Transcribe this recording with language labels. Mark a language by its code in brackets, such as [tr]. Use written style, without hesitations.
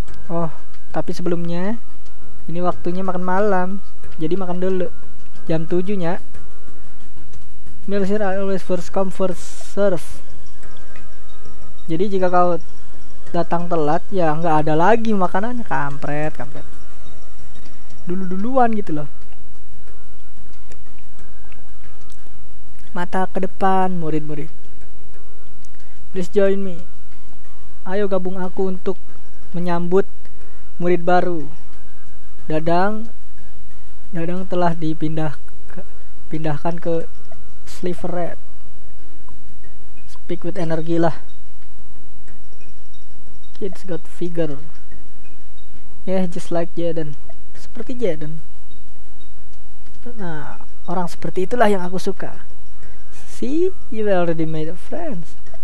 [id] Oh, tapi sebelumnya ini waktunya makan malam. Jadi makan dulu. Jam 7 nya. [en] Meals here are always first come first serve. [id] Jadi jika kau datang telat, ya nggak ada lagi makanan. Kampret. Dulu-duluan gitu loh. Mata ke depan, murid-murid. [en] Please join me. [id] Ayo gabung aku untuk menyambut murid baru. Dadang telah dipindahkan ke Sliver Red. [en] Speak with energy lah. It's got figure. Yeah, just like Jaden. [id] Seperti Jaden. Nah, orang seperti itulah yang aku suka. [en] See, you already made friends.